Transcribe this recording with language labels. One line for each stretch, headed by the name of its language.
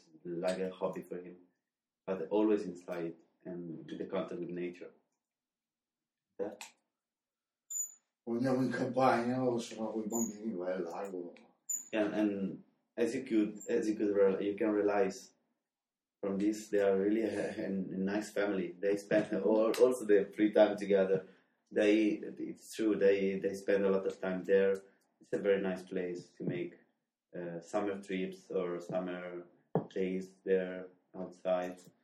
English: It's like a hobby for him, but always inside and in the contact with nature. Yeah.
Italian: Andiamo in campagna o sono con i bambini, vai al lago.
English: And as you can realize from this, they are really a nice family. They spend also their free time together. It's true, they spend a lot of time there. It's a very nice place to make summer trips or summer days there outside.